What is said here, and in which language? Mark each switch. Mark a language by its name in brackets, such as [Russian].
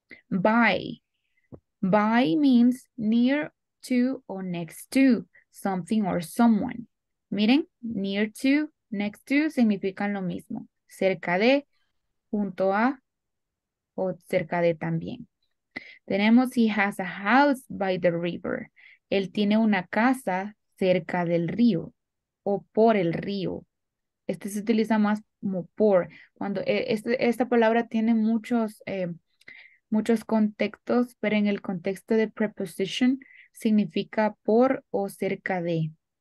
[English] By. By means near to or next to something or someone. [Spanish] Miren, near to, next to significan lo mismo. Cerca de, junto a, o cerca de también. Tenemos, [English] he has a house by the river. [Spanish] Él tiene una casa cerca del río o por el río. Este se utiliza más como por. Cuando esta palabra tiene muchos contextos, pero en el contexto de preposition significa por o cerca de.